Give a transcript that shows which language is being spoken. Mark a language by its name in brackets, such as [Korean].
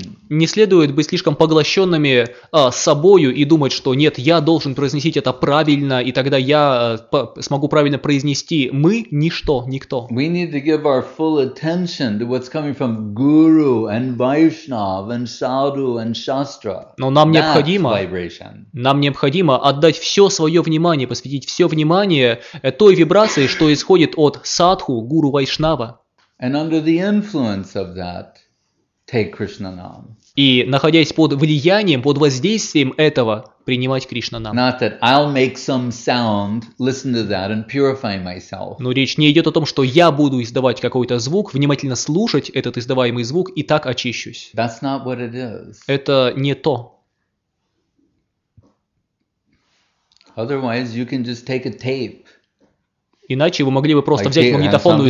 [Russian] Не следует быть слишком поглощенными собою и думать, что нет, я должен произнести это правильно, и тогда я смогу правильно произнести. Мы – ничто, никто. [English] We need to give our full attention to what's coming from Guru and Vaishnav and Sadhu and Shastra. [Russian] Но нам необходимо отдать все свое внимание, посвятить все внимание той вибрации, что исходит от Садху, Гуру Вайшнава. [English] And under the influence of that, take Krishna Nam. [Russian] И находясь под влиянием, под воздействием этого, принимать Кришна Нам. [English] Not that I'll make some sound, listen to that and purify myself. [Russian] Но речь не идет о том, что я буду издавать какой-то звук, внимательно слушать этот издаваемый звук и так очищусь. [English] That's not what it is. [Russian] Это не то. [English] Otherwise, you can just take a tape. [Russian] Иначе вы могли бы просто взять магнитофонную